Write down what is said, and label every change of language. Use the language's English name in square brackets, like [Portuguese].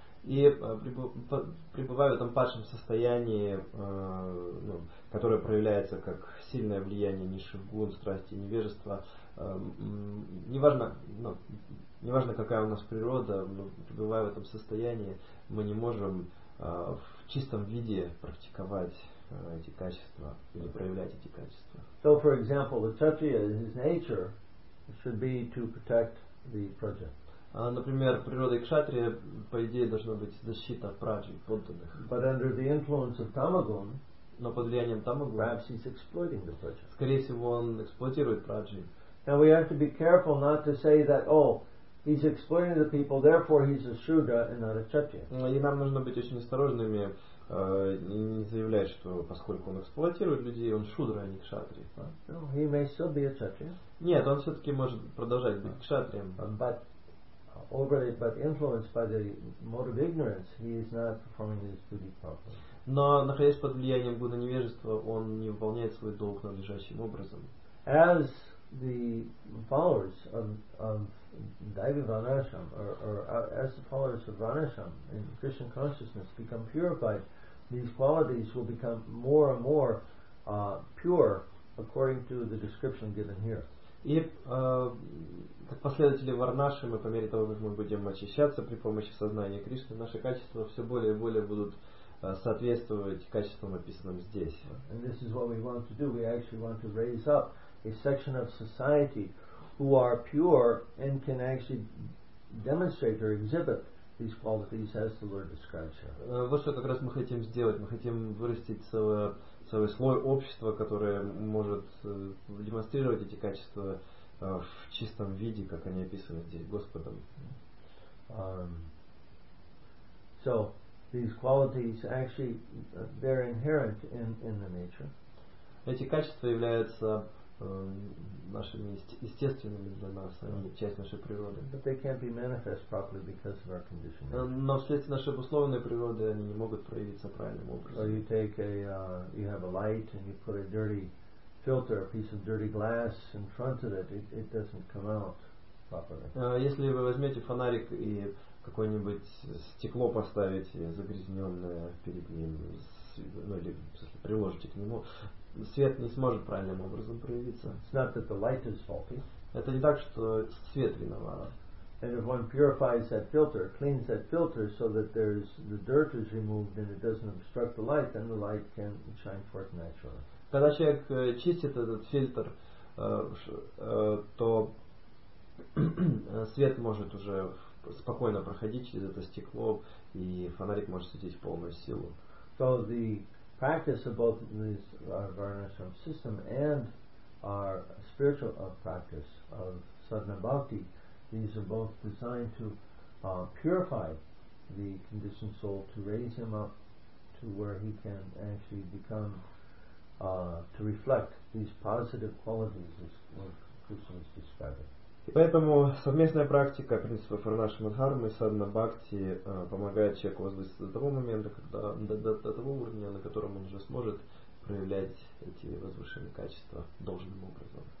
[Russian] И пребывая в этом падшем состоянии, ну, которое проявляется как сильное влияние низших гун, страсти и невежества, неважно какая у нас природа, но пребывая в этом состоянии, мы не можем в чистом виде практиковать эти качества или проявлять эти качества. [English] So, for example, the kshatriya, his nature should be to protect the praja. [Russian] Например, природа кшатрия, по идее, должна быть защита праджи, подданных. [English] But under the influence of tamagun, [Russian] но под влиянием тамагун, [English] perhaps he's exploiting the praja. [Russian] Скорее всего, он эксплуатирует праджи. [English] Now we have to be careful not to say that, oh, he's exploiting the people, therefore he's a shudra and not a kshatriya. [Russian] И нам нужно быть очень осторожными. Не заявляет, что поскольку он эксплуатирует людей, он шудра, а не кшатри. [English] No, he may still be a kshatriya. [Russian] Нет, он все-таки может продолжать быть кшатрием. [English] But influenced by the mode of ignorance, he is not performing his duty properly. [Russian] Но находясь под влиянием гуна невежества, он не выполняет свой долг надлежащим образом. [English] As the followers of Daivi Varnasham, or as the followers of Varnasham in Christian consciousness become purified, these qualities will become more and more pure according to the description given here. [Russian] И как последователи Варнашамы, по мере того, как мы будем очищаться при помощи сознания Кришны, наши качества все более и более будут соответствовать качествам, описанным здесь. [English] And this is what we want to do. We actually want to raise up a section of society who are pure and can actually demonstrate or exhibit these qualities as the Lord describes here. [Russian] Вот что как раз мы хотим сделать. Мы хотим вырастить целый слой общества, которое может демонстрировать эти качества в чистом виде, как они описаны здесь Господом. [English] So these qualities actually they're inherent in the nature. [Russian] Эти качества являются нашими естественными для нас, они часть нашей природы. [English] But they can't be manifest properly because of our conditioning. [Russian] Но вследствие нашей обусловленной природы они не могут проявиться правильным образом. [English] So you take you have a light and you put a dirty filter, a piece of dirty glass in front of it, it doesn't come out properly. [Russian] Если вы возьмете фонарик и какое-нибудь стекло поставите загрязненное перед ним, ну или приложите к нему, свет не сможет правильным образом проявиться. [English] It's not that the light is faulty. [Russian] Это не так, что свет виноват. [English] And if one purifies that filter, cleans that filter so that there's the dirt is removed and it doesn't obstruct the light, then the light can shine forth naturally. [Russian] Когда человек чистит этот фильтр, то свет может уже спокойно проходить через это стекло, и фонарик может светить в полную силу. [English] So the practice of both this varnasham system and our spiritual practice of sadhana bhakti, these are both designed to purify the conditioned soul, to raise him up to where he can actually become, to reflect these positive qualities as Krishna is describing. [Russian] И поэтому совместная практика принципов Арнаши Мадхармы и Садхана Бхакти помогает человеку возвыситься до того момента, когда до того уровня, на котором он уже сможет проявлять эти возвышенные качества должным образом.